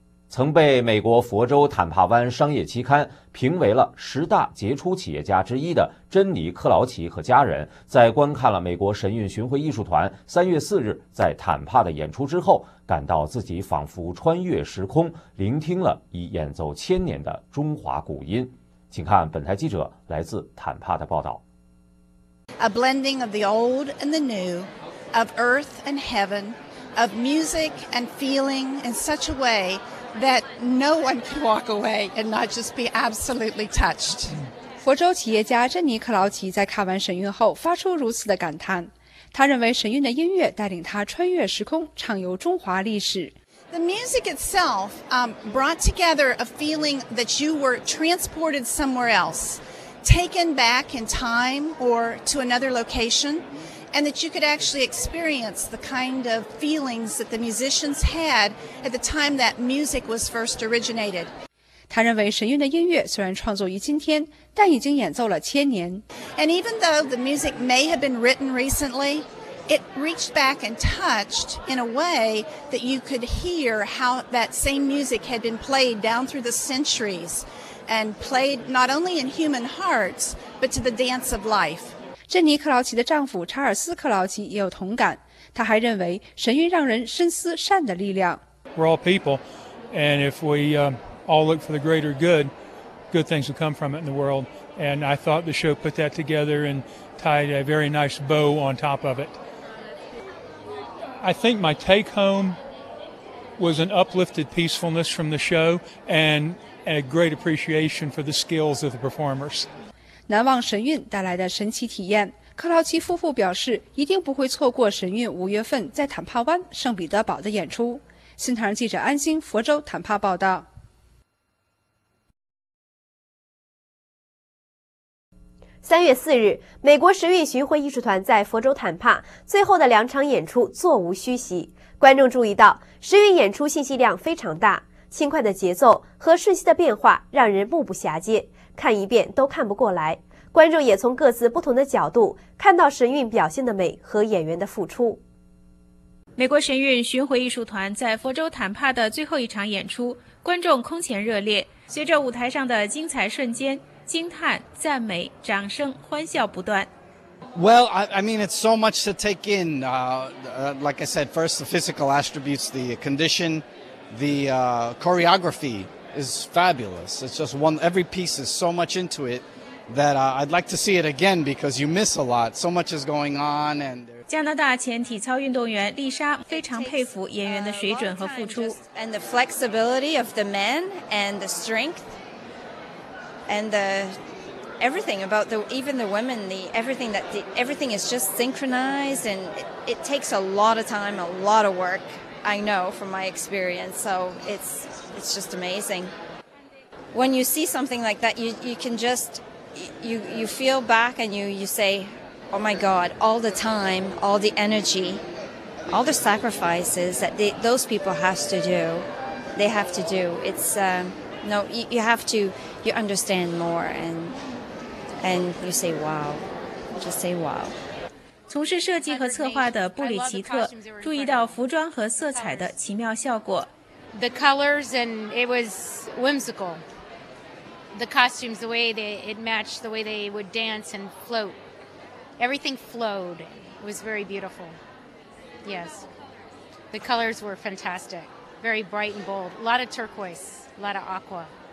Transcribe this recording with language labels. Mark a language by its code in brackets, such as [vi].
[zh] 曾被美国佛州坦帕湾商业期刊评为了十大杰出企业家之一的珍妮·克劳奇和家人，在观看了美国神韵巡回艺术团3月4日在坦帕的演出之后，感到自己仿佛穿越时空，聆听了已演奏千年的中华古音。请看本台记者来自坦帕的报道。 [en] A blending of the old and the new, of earth and heaven, of music and feeling in such a wayThat no one could walk away and not just be absolutely touched. [zh] 佛州企业家珍妮·克劳奇在看完神韵后发出如此的感叹。他认为神韵的音乐带领他穿越时空，畅游中华历史。 [en] The music itself, brought together a feeling that you were transported somewhere else, taken back in time or to another location. And that you could actually experience the kind of feelings that the musicians had at the time that music was first originated. [zh] 他认为神韵的音乐虽然创作于今天，但已经演奏了千年。 [en] And even though the music may have been written recently, it reached back and touched in a way that you could hear how that same music had been played down through the centuries and played not only in human hearts, but to the dance of life. [zh] 珍妮·克劳奇的丈夫查尔斯·克劳奇也有同感，他还认为神韵让人深思善的力量。 [en] We're all people, and if we all look for the greater good, good things will come from it in the world. And I thought the show put that together and tied a very nice bow on top of it. I think my take home was an uplifted peacefulness from the show and a great appreciation for the skills of the performers. [zh] 难忘神韵带来的神奇体验，克劳奇夫妇表示一定不会错过神韵五月份在坦帕湾圣彼得堡的演出。新唐人记者安心佛州坦帕报道。三月四日，美国神韵巡回艺术团在佛州坦帕最后的两场演出座无虚席，观众注意到神韵演出信息量非常大，轻快的节奏和瞬息的变化让人目不暇接，看一遍都看不过来，观众也从各自不同的角度看到神韵表现的美和演员的付出。美国神韵巡回艺术团在佛州坦帕的最后一场演出，观众空前热烈，随着舞台上的精彩瞬间，惊叹、赞美、掌声、欢笑不断。 [en] Well, I mean, it's so much to take in. Like I said, first the physical attributes, the condition, the choreography. Is fabulous. It's just one, every piece is so much into it that I'd like to see it again because you miss a lot. So much is going on. And [zh] 加拿大前体操运动员丽莎非常佩服演员的水准和付出。 [en] And the flexibility of the men and the strength and the everything about the even the women, the everything that the, everything is just synchronized and it takes a lot of time, a lot of work. I know from my experience, so it's just amazing. When you see something like that, you can just, you feel back and you say, oh my God, all the time, all the energy, all the sacrifices that those people have to do, they have to do. It's, no, you have to, you understand more and you say, wow, just say wow. [zh] 从事设计和策划的布里奇特注意到服装和色彩的奇妙效果。 [en] The colors and it was whimsical. The costumes, the way they it matched, the way they would dance and float. Everything flowed. It was very beautiful. Yes. The colors were fantastic. Very bright and bold. A lot of turquoise, a lot of aqua.